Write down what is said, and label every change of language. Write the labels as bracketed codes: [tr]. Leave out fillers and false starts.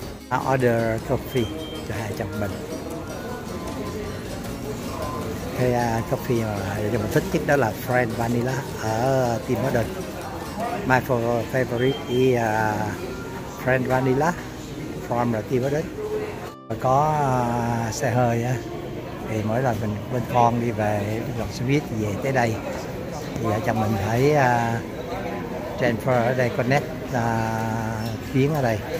[en] I order coffee [vi] cho hai chồng mình. Cái coffee mà mình thích nhất đó là French Vanilla ở Tim Hortons. [en] My favorite is French Vanilla from Tim Hortons. [vi] Có xe hơi á, thì mỗi lần mình bên con đi về gặp xe buýt về tới đây, thì vợ chồng mình thấy transfer ở đây connect chuyến ở đây.